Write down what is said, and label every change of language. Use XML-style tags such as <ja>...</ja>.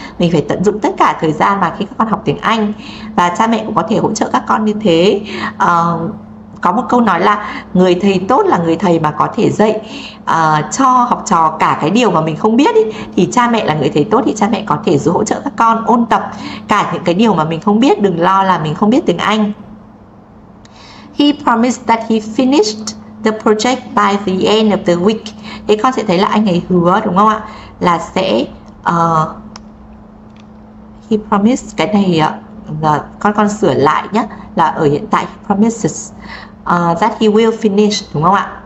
<vi>Mình phải tận dụng tất cả thời gian mà khi các con học tiếng Anh, và cha mẹ cũng có thể hỗ trợ các con như thế. Có một câu nói là người thầy tốt là người thầy mà có thể dạy cho học trò cả cái điều mà mình không biết ý. Thì cha mẹ là người thầy tốt thì cha mẹ có thể giúp hỗ trợ các con ôn tập cả những cái điều mà mình không biết. Đừng lo là mình không biết tiếng Anh.</vi> <en>He promised that he finished the project by the end of the week.</en> <vi>Thế con sẽ thấy là anh ấy hứa đúng không ạ? Là sẽ</vi> <en>he promised</en> <vi>cái này con sửa lại nhé, là ở hiện tại</vi> <en>he promises that he will finish</en> <vi>đúng không ạ?</vi>